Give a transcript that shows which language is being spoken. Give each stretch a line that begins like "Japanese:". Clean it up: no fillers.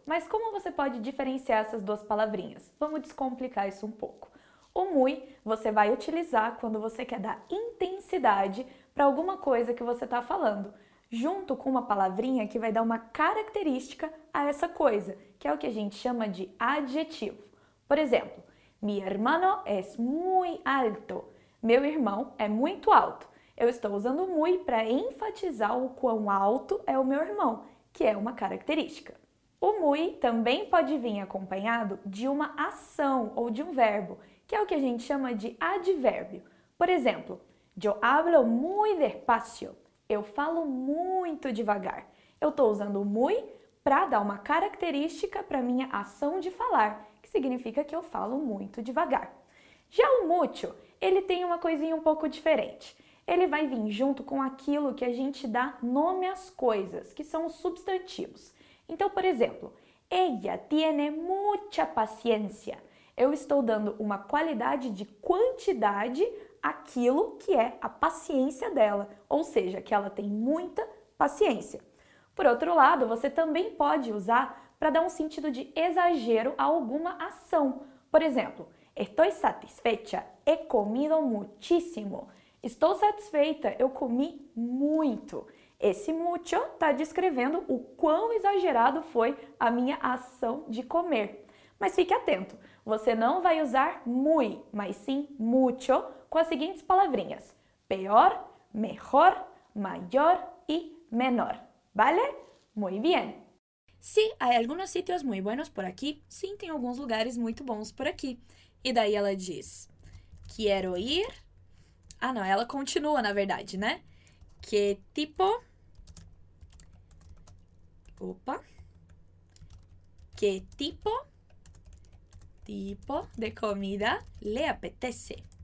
Portuguese: Mas como você pode diferenciar essas duas palavrinhas? Vamos descomplicar isso um pouco. O muy você vai utilizar quando você quer dar intensidade para alguma coisa que você está falando, junto com uma palavrinha que vai dar uma característica a essa coisa, que é o que a gente chama de adjetivo. Por exemplo,
Spanish: mi hermano es muy alto.
Portuguese: Meu irmão é muito alto. Eu estou usando muy para enfatizar o quão alto é o meu irmão, que é uma característica. O muy também pode vir acompanhado de uma ação ou de um verbo, que é o que a gente chama de advérbio. Por exemplo,
Spanish: yo hablo muy despacio.
Portuguese: Eu falo muito devagar. Eu estou usando o muy para dar uma característica para minha ação de falar, que significa que eu falo muito devagar. Já o mucho, ele tem uma coisinha um pouco diferente. Ele vai vir junto com aquilo que a gente dá nome às coisas, que são os substantivos. Então, por exemplo,
Spanish: ella tiene mucha paciencia.
Portuguese: Eu estou dando uma qualidade de quantidade àquilo que é a paciência dela, ou seja, que ela tem muita paciência. Por outro lado, você também pode usar para dar um sentido de exagero a alguma ação. Por exemplo,
Spanish: estoy satisfecha, he comido muchísimo.
Portuguese: Estou satisfeita, eu comi muito. Esse mucho está descrevendo o quão exagerado foi a minha ação de comer. Mas fique atento, você não vai usar muy, mas sim mucho com as seguintes palavrinhas: peor, mejor, mayor e menor.
Spanish: Vale? Muy bien! Sí, hay algunos sitios muy buenos por aquí.
Portuguese: Sim, tem alguns lugares muito bons por aqui. E daí ela diz:
Spanish: quiero ir.
Portuguese: Ah, não, ela continua, na verdade, né? Que tipo.
Spanish: Opa. Que tipo de comida le apetece?